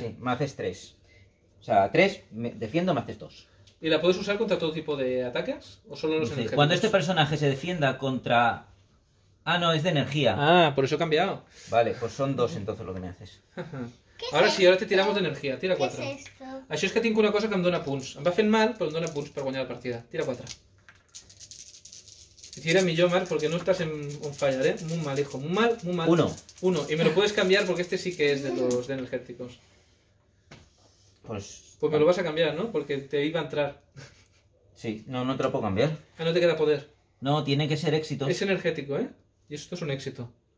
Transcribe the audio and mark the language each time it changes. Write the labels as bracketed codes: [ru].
[es] Sí, me haces 3. O sea, 3, me defiendo, me haces 2. ¿Y la puedes usar contra todo tipo de ataques? ¿O solo los energéticos? Cuando este personaje se defienda contra... Ah, no, es de energía. Ah, por eso he cambiado. Vale, pues son 2 entonces lo que me haces. Ahora sí, ahora te tiramos de energía. Tira 4. ¿Qué es esto? [ca] Això és que tinc una cosa que em dona punts. Em va fent mal, però em dona punts per guanyar la partida. Tira 4. Tira millor, Marc, perquè no estàs en un fallar, eh? [es] Muy mal, hijo. Muy mal, muy mal. 1. 1. I me lo puedes cambiar porque este sí que es de los de energéticos. Pues... Pues me lo vas a cambiar, ¿no? Porque te iba a entrar. Sí. No, no te lo puedo cambiar. Ah, no te queda poder. No, tiene que ser éxito. Es energético, ¿eh? Y esto es un éxito.